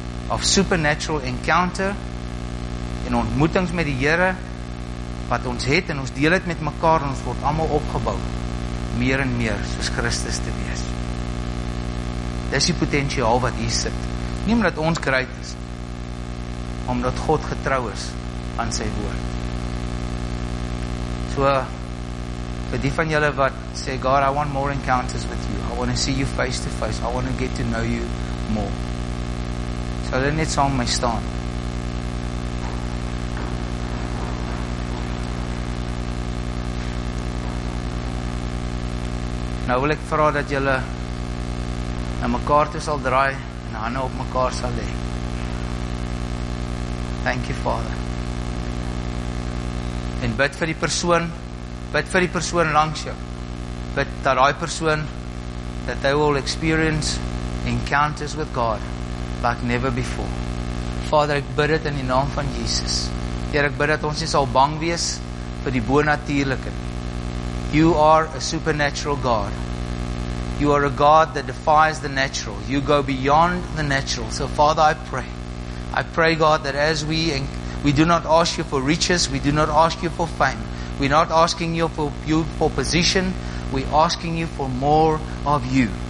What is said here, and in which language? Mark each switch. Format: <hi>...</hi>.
<af>of supernatural encounter en ontmoetings met die Here wat ons het en ons deel het met mekaar en ons word allemaal opgebouw meer en meer soos Christus te wees. Dis die potentiaal wat hier sit. Nie omdat ons great is, omdat God getrou is aan sy woord. So, vir die van julle wat sê, God,</af> <en>I want more encounters with you. I want to see you face to face. I want to get to know you more.</en> <af>So, hulle net saam my staan. Nou wil ek vra dat julle na mekaar toe sal draai en hande op mekaar sal lê.</af> <en>Thank you, Father.</en> <af>En bid vir die persoon, bid vir die persoon langs jou. Bid dat die persoon,</af> <en>that they will experience encounters with God like never before.</en> <af>Father, ek bid het in die naam van Jesus. Heer, ek bid dat ons nie sal bang wees vir die bonatuurlike.</af> <en>You are a supernatural God. You are a God that defies the natural. You go beyond the natural. So, Father, I pray. I pray, God, that as we do not ask you for riches, we do not ask you for fame. We're not asking you for position. We're asking you for more of you.</en>